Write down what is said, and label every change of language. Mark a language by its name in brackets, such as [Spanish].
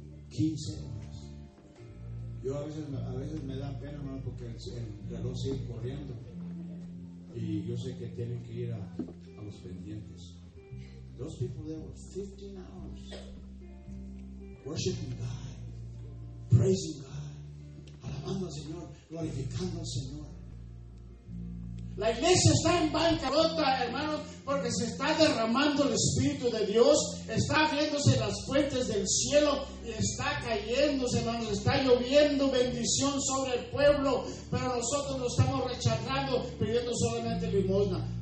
[Spanish] 15 horas. Yo a veces me da pena, hermano, porque el reloj sigue corriendo y yo sé que tienen que ir a los pendientes. [English] Those people there were 15 hours worshiping God, praising God, [Spanish] alabando al Señor, glorificando al Señor. La iglesia está en bancarrota, hermanos, porque se está derramando el Espíritu de Dios, está abriéndose las fuentes del cielo y está cayéndose, hermanos, está lloviendo bendición sobre el pueblo, pero nosotros lo estamos rechazando pidiendo solamente limosna.